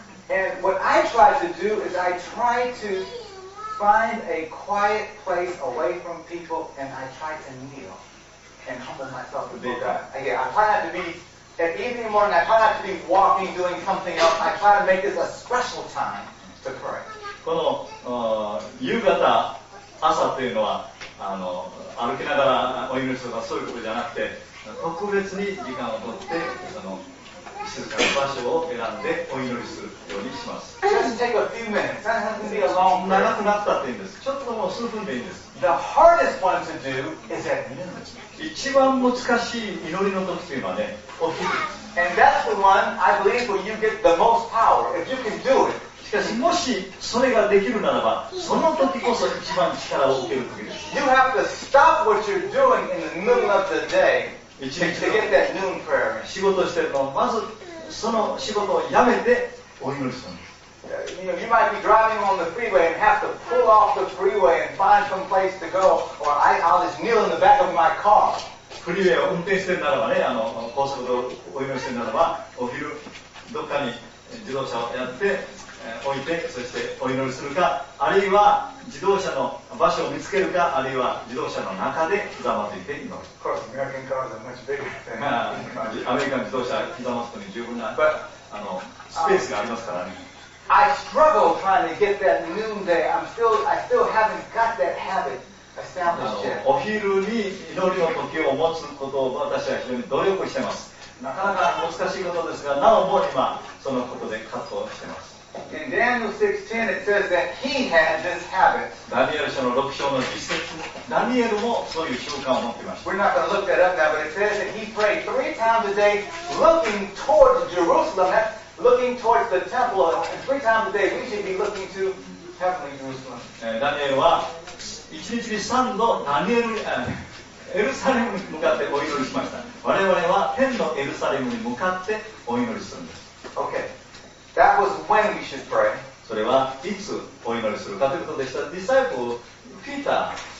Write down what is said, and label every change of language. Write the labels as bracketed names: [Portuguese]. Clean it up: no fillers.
[English] And what I try to do is I try to find a quiet place away from people and I try to kneel and humble myself before God. Yeah, I try not to be. At evening, morning, I try not to be walking, doing something else. I try to make this a special time to pray. [Japanese] この夕方、朝というのは歩きながらお祈りするとかそういうことじゃなくて、特別に時間を取って静かな場所を選んでお祈りするようにします。 [English] Just take a few minutes. That doesn't have to be a long prayer. [Japanese] 長くなったっていいんです。ちょっともう数分でいいんです。 [English] The hardest one to do is at noon. [Japanese] 一番難しい祈りの時というのはね、お昼です。 [English] And that's the one I believe where you get the most power. If you can do it. [Japanese] しかし、もしそれができるならば、その時こそ一番力を受ける時です。 [English] You have to stop what you're doing in the middle of the day to get that noon prayer. [Japanese] 仕事してるのまずその仕事をやめてお祈りするんです。 [English] You might be driving on the freeway and have to pull off the freeway and find some place to go, or I'll just kneel in the back of my car. [Japanese] フリーウェイを運転してるならばね、高速道路を運転してるならば、お昼どっかに自動車をやって、置いて、そしてお祈りするか、あるいは自動車の場所を見つけるか、あるいは自動車の中でひざまずいて祈る。 [English] Of course, American cars are much bigger than [Japanese] アメリカの自動車はひざまずくに十分な But, スペースがありますからね。 [English] I struggle trying to get that noonday. I still haven't got that habit established yet. [Japanese] お昼に祈りの時を持つことを私は非常に努力してます。なかなか難しいことですが、なおも今そのことで葛藤してます。 [English] In Daniel 6:10, it says that he had this habit. [Japanese] ダニエル書の6章の実節、ダニエルもそういう習慣を持っていました。 [English] We're not going to look that up now, but it says that he prayed three times a day, looking towards Jerusalem. Looking towards the temple, and three times a day, we should be looking to heavenly Jerusalem. [Japanese] ダニエルは1日に3度ダニエル、エルサレムに向かってお祈りしました。我々は天のエルサレムに向かってお祈りするんです。 [English] Okay. That was when we should pray. [Japanese] それはいつお祈りするかということでした。ディサイプル、ピーター